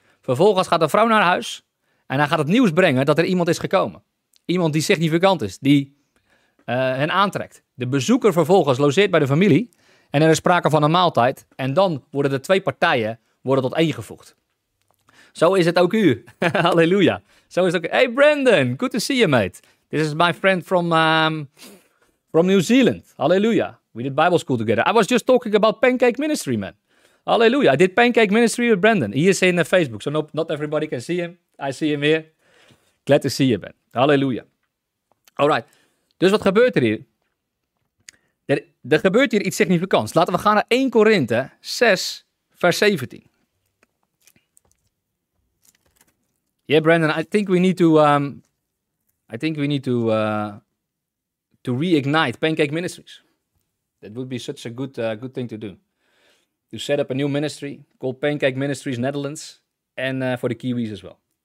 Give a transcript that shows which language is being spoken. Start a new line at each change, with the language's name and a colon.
Dutch: Vervolgens gaat de vrouw naar huis en hij gaat het nieuws brengen dat er iemand is gekomen. Iemand die significant is, die hen aantrekt. De bezoeker vervolgens logeert bij de familie en er is sprake van een maaltijd. En dan worden de twee partijen worden tot één gevoegd. Zo is het ook u. Halleluja. Zo is het ook.
English: Hey Brandon, good to see you, mate. This is my friend from New Zealand. Halleluja. We did Bible school together. I was just talking about pancake ministry, man. Halleluja. I did pancake ministry with Brandon. He is in Facebook, so not everybody can see him. I see him here. Glad to see you, man. Halleluja. Alright.
Dutch: Dus wat gebeurt er hier? Er gebeurt hier iets significants. Laten we gaan naar 1 Korinthe 6, vers 17.
English: Yeah, Brandon, I think we need to reignite pancake ministries. That would be such a good thing to do. To set up a new ministry called Pancake Ministries Netherlands. And for the Kiwis as well.